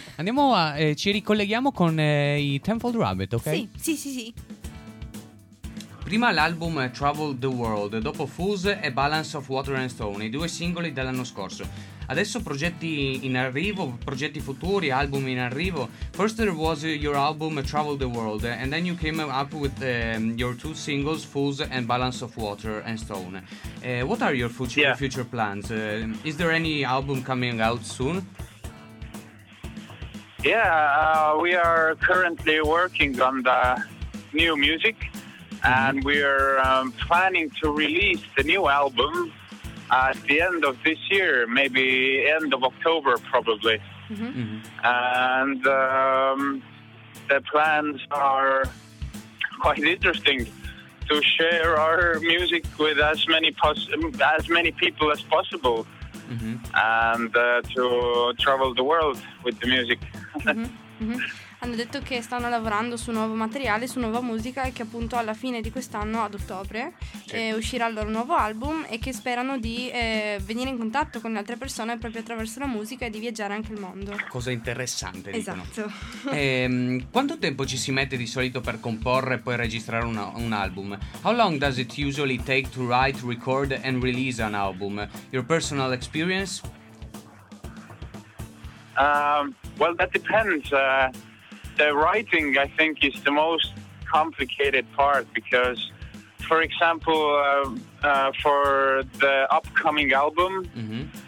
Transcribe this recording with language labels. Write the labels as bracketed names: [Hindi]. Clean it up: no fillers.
[Italian] Andiamo a... ci ricolleghiamo con i Tenfold Rabbit, ok? Sì. Prima l'album Travel the World, dopo Fuse e Balance of Water and Stone, i due singoli dell'anno scorso. Adesso progetti in arrivo, progetti futuri, album in arrivo. [English] First there was your album Travel the World, and then you came up with your two singles, Fools and Balance of Water and Stone. What are your future plans? Is there any album coming out soon? Yeah, we are currently working on the new music, and we are planning to release the new album at the end of this year, maybe end of October, probably. And the plans are quite interesting, to share our music with as many people as possible, and to travel the world with the music. mm-hmm. Mm-hmm. [Italian] hanno detto che stanno lavorando su nuovo materiale, su nuova musica, che appunto alla fine di quest'anno, ad ottobre, uscirà il loro nuovo album, e che sperano di venire in contatto con altre persone proprio attraverso la musica e di viaggiare anche il mondo. Cosa interessante, dicono. Esatto. Quanto tempo ci si mette di solito per comporre e poi registrare un album? [English] How long does it usually take to write, record and release an album? Your personal experience? Well, that depends. The writing, I think, is the most complicated part because, for example, for the upcoming album, mm-hmm.